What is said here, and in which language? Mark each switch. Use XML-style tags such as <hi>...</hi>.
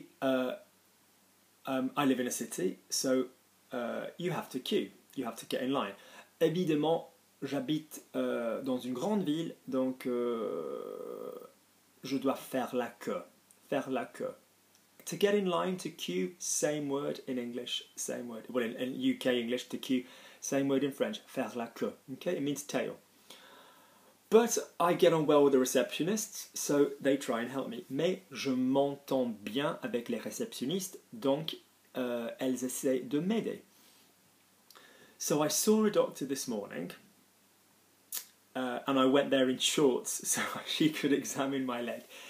<en>Obviously, I live in a city, so you have to queue, you have to get in line.</en> <fr>Évidemment, j'habite dans une grande ville, donc je dois faire la queue. Faire la queue.</fr> <en>To get in line, to queue, same word in English, same word. Well, in UK English, to queue, same word in French.</en> <fr>Faire la queue.</fr> <en>Okay, it means tail. But I get on well with the receptionists, so they try and help me.</en> <fr>Mais je m'entends bien avec les réceptionnistes, donc elles essaient de m'aider.</fr> <en>So I saw a doctor this morning, and I went there in shorts so she could examine my leg.</en>